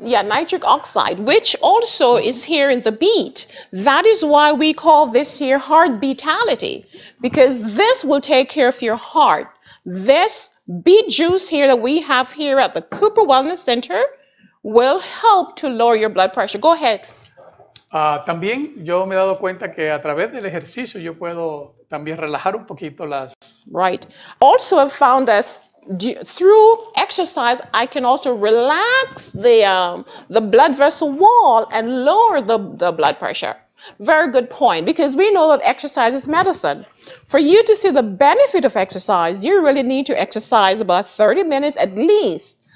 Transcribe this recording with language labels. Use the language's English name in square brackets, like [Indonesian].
[English] Yeah, nitric oxide, which also is here in the beet. That is why we call this here heart beatality, because this will take care of your heart. This beet juice here that we have here at the Cooper Wellness Center will help to lower your blood pressure. Go ahead. [Spanish] También yo me he dado cuenta que a través del ejercicio yo puedo también relajar un poquito las... [English] Right. Also, I found that through exercise, I can also relax the blood vessel wall and lower the blood pressure. Very good point, because we know that exercise is medicine. For you to see the benefit of exercise, you really need to exercise about 30 minutes at least.